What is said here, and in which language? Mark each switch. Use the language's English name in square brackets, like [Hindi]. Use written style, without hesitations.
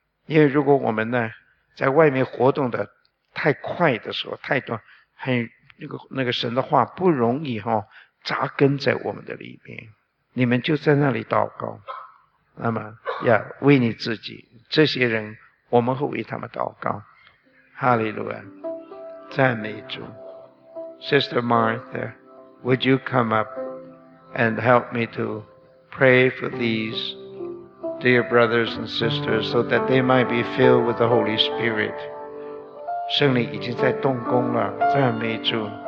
[Chinese] 因为如果我们呢在外面活动的太快的时候太多，很那个神的话不容易扎根在我们的里面。你们就在那里祷告，那么呀，为你自己这些人，我们会为他们祷告。哈利路亚，赞美主。 [English] Sister Martha, would you come up and help me to pray for these dear brothers and sisters so that they might be filled with the Holy Spirit? [Chinese] 圣灵已经在动工了，赞美主。